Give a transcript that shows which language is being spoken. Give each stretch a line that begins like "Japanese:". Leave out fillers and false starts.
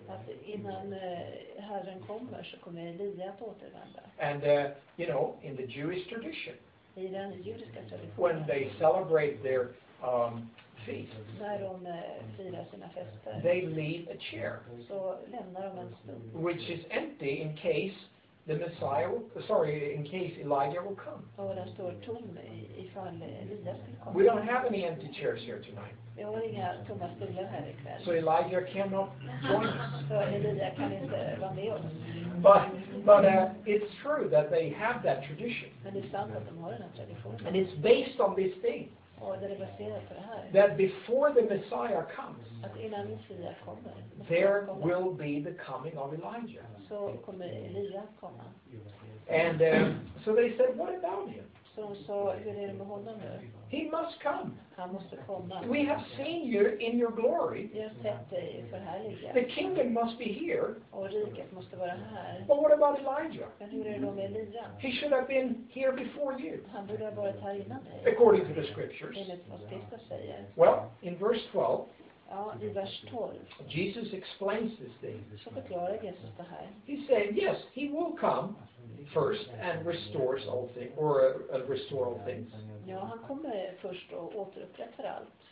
Swedish: Att innan Herren kommer så kommer Elijah att återvända.
English: And you know, in the Jewish tradition.
Swedish: I den judiska traditionen.
English: When they celebrate their feast.
Swedish: När de firar sina fester.
English: They leave a chair.
Swedish: Så lämnar de en stol.
English: Which is empty in case the Messiah will, sorry, in case Elijah will come.
Swedish: Och den står tom ifall Elias skulle komma.
English: We don't have any empty chairs here tonight.
Swedish: Vi har inga tomma stolar här ikväll.
English: So Elijah cannot join us.
Swedish: Så Elias kan inte vara med oss.
English: But it's true that they have that tradition.
Swedish: Men det är sant att de har den här traditionen.
English: And it's based on this thing.
Swedish: Och det är baserat på det här.
English: That before the Messiah comes.
Swedish: Att innan Messias kommer.
English: There will be the coming of Elijah.
Swedish: Så kommer Elia komma.
English: And so they said, what about him?
Swedish: Så de sa, hur är det med honom nu?
English: He must come.
Swedish: Han måste komma.
English: We have seen you in your glory.
Swedish: Vi har sett dig förhärliga.
English: The kingdom must be here.
Swedish: Och riket måste vara här.
English: But what about Elijah?
Swedish: Men hur är det då med Elia?
English: He should have been here before you.
Swedish: Han borde ha varit här innan dig.
English: According to the scriptures.
Swedish: Enligt vad skriften säger.
English: Well, in verse 12.
Swedish: Ja, i vers 12.
English: Jesus explains this thing.
Swedish: Så förklarar Jesus det här.
English: He said, yes, he will come first and restores all things, or restore all things.
Swedish: Ja, han kommer först och återupprättar allt.